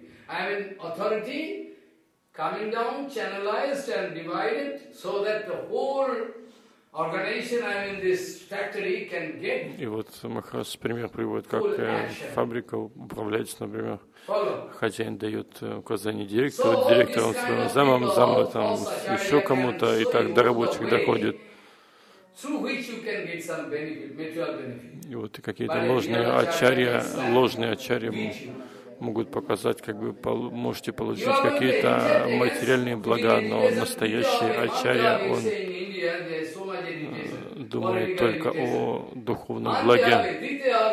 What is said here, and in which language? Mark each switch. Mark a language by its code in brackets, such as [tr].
[en] I mean authority coming down, channelized and divided so that the whole organization, I mean this factory can get. [ru] И вот Махарадж пример приводит, как фабрика управляется, например, хозяин дает указание директору, директору своим замам, замам там еще кому-то, и так до рабочих доходит. [en] Through which you can get some benefit, material benefit. [ru] И вот и какие-то ложные ачарья, могут показать, как вы можете получить какие-то материальные блага, но настоящий ачарья, он думает только о духовном благе.